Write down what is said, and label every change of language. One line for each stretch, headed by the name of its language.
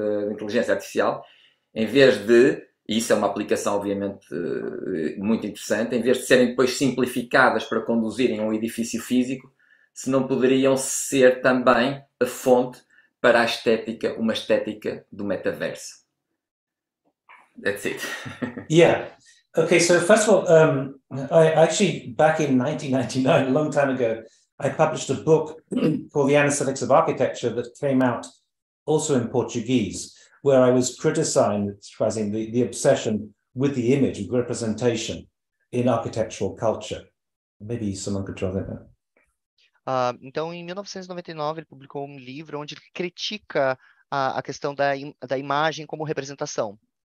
Portuguese: inteligência artificial, em vez de, e isso é uma aplicação obviamente muito interessante, em vez de serem depois simplificadas para conduzirem um edifício físico, se não poderiam ser também a fonte para a estética, uma estética do metaverso.
English: That's it. Yeah. Okay, so first of all, I actually, back in 1999, a long time ago, I published a book called The Anesthetics of Architecture that came out also in Portuguese, where I was criticizing the obsession with the image and representation in architectural culture. Maybe someone could draw that out.
Portuguese: Então, em 1999, ele publicou um livro onde ele critica a questão da imagem como representação.